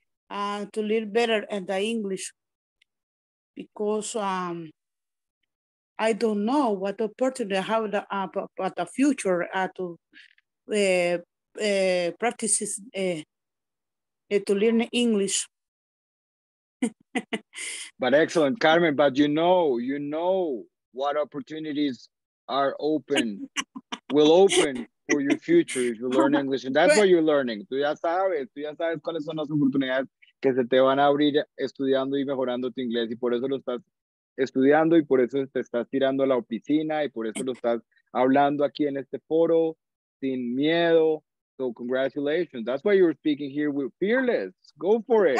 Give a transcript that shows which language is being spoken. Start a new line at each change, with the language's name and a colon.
English: To learn better at the English because I don't know what opportunity I have about the future to learn English. But excellent, Carmen, but you know what opportunities are open, will open for your future if you learn English, and that's what you're learning.
Spanish: Tú ya sabes cuáles son las oportunidades que se te van a abrir estudiando y mejorando tu inglés, y por eso lo estás estudiando y por eso te estás tirando a la oficina y por eso lo estás hablando aquí en este foro sin miedo.
English: So congratulations, that's why you're speaking here with fearless, go for it.